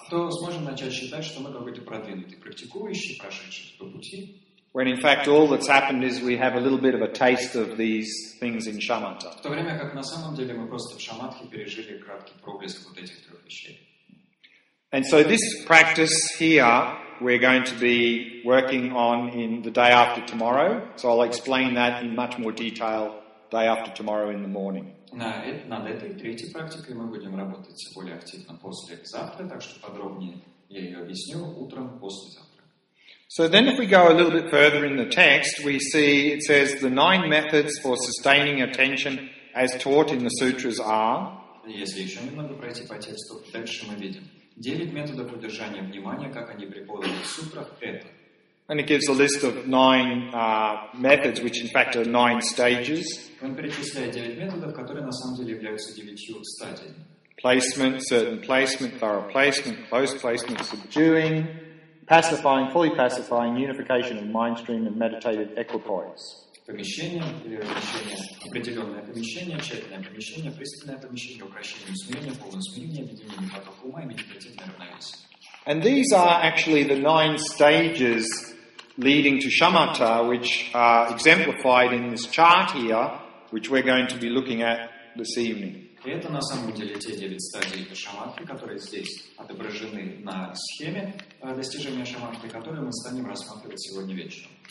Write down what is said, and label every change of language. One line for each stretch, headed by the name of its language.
Russian: То сможем начать считать, что мы какой-то продвинутый практикующий, прошедший по пути.
English: When in fact all that's happened is we have a little bit of a taste of these things in shamatha.
Russian: В то время как на самом деле мы просто в шаматхе пережили краткий проблеск вот этих трех вещей.
English: And so this practice here we're going to be working on in the day after tomorrow. So I'll explain that in much more detail day after tomorrow in the morning.
Russian: Над этой третьей практикой мы будем работать более активно послезавтра, так что подробнее я ее объясню утром послезавтра.
English: So then if we go a little bit further in the text, we see it says the nine methods for sustaining attention as taught in the sutras are...
Russian: Если еще немного пройти по тексту, дальше мы видим. Девять методов удержания внимания, как они преподаны в сутрах, это.
English: And it gives a list of nine methods, which in fact are nine stages.
Russian: Он перечисляет девять методов, которые на самом деле являются девятью стадиями.
English: Placement, certain placement, thorough placement, close placement, subduing, pacifying, fully pacifying, unification of mind stream and meditative equipoise.
Russian: Помещение или размещение, определенное помещение, тщательное помещение, пристальное помещение, укрощение смирения, полное смирение, объединение потока ума и медитативное равновесие.
English: And these are actually the nine stages leading to shamatha, which are exemplified in this chart here, which we're going to be looking at this evening.
Russian: И это на самом деле те девять стадий шаматхи, которые здесь отображены на схеме достижения шаматхи, которые мы станем рассматривать сегодня вечером.